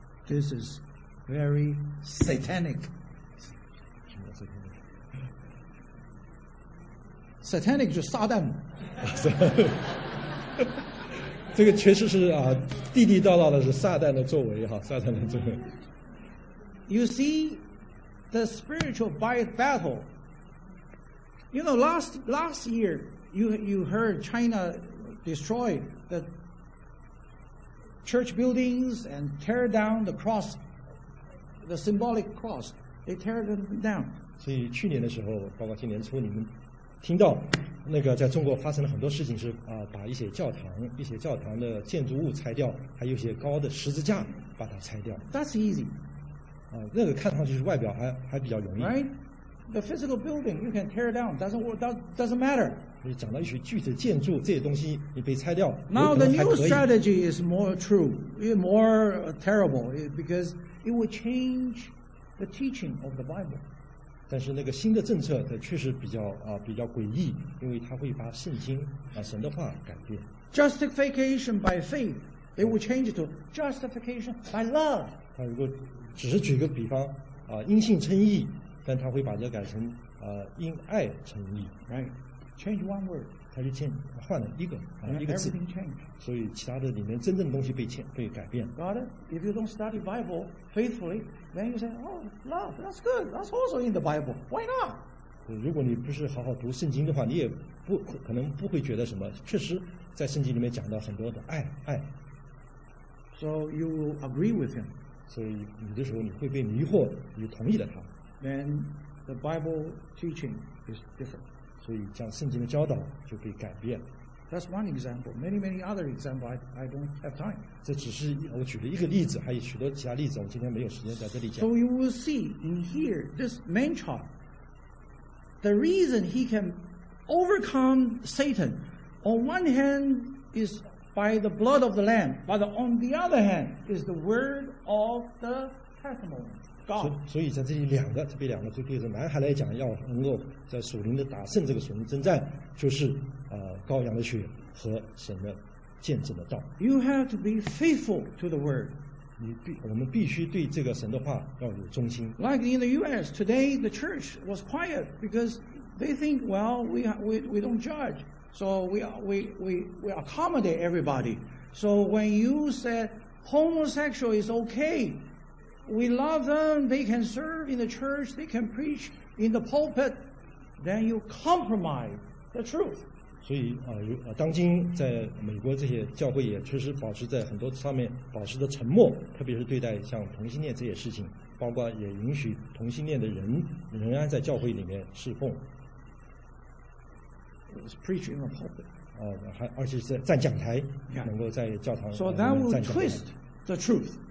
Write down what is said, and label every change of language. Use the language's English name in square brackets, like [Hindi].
[English] This is very satanic. [Chinese] Satanic 就撒旦。这个确实是地地道道的是撒旦的作为哈，撒旦的作为。 [English] You see, the spiritual battle. You know, last year, you heard China destroyed the. Church buildings and tear down the cross, the symbolic cross. They tear them down. [Chinese] 所以去年的时候，包括今年初，你们听到那个在中国发生了很多事情是，是把一些教堂的建筑物拆掉，还有一些高的十字架把它拆掉。 [English] That's easy. [Chinese] 那个看上去是外表还比较容易。 [English] Right. The physical building you can tear down, doesn't matter. [Chinese] 你讲到一些具体的建筑，这些东西你被拆掉。 [English] Now the new strategy is more true, more terrible, because it will change the teaching of the Bible. [Chinese] 但是那个新的政策的确实比较诡异，因为它会把圣经啊神的话改变。 [English] Justification by faith, it will change to justification by love. [Chinese] 他如果只是举个比方啊，因信称义。但他会把这改成因爱称义 [English] ，right? Change one word， [Chinese] 他就换了一个一个字， [English] changed. [Chinese] 所以其他的里面真正的东西被改变。 [English] Got it? If you don't study Bible faithfully, then you say, "Oh, love, that's good. That's also in the Bible. Why not?" [Chinese] 如果你不是好好读圣经的话，你也不可能不会觉得什么。确实，在圣经里面讲到很多的爱。 [English] So you will agree with him. [Chinese] 所以有的时候你会被迷惑，你同意了他。 [English] Then the Bible teaching is different. [Chinese] 所以讲圣经的教导就可以改变。 [English] That's one example. Many, many other examples. I don't have time. [Chinese] 这只是我举了一个例子，还有许多其他例子。我今天没有时间在这里讲。 [English] So you will see in here this man-child. The reason he can overcome Satan, on one hand is by the blood of the Lamb, but on the other hand is the word of the testimony. [Chinese] 所以在这里两个，特别两个，就对着男孩来讲，要能够在属灵的打胜这个属灵征战，就是羔羊的血和神的见证的道。 [English] You have to be faithful to the word. [Chinese] 我们必须对这个神的话要有忠心。 [English] Like in the U.S. today, the church was quiet because they think, well, we don't judge, so we accommodate everybody. So when you said homosexual is okay. We love them, they can serve in the church, they can preach in the pulpit, then you compromise the truth. [Chinese] 所以当今在美国这些教会也确实保持在很多上面保持的沉默，特别是对待像同性恋这些事情，包括也允许同性恋的人仍然在教会里面侍奉。 [English] Preach in the pulpit. [Chinese] 而且是站讲台，能够在教堂。 [English] So that will twist the truth.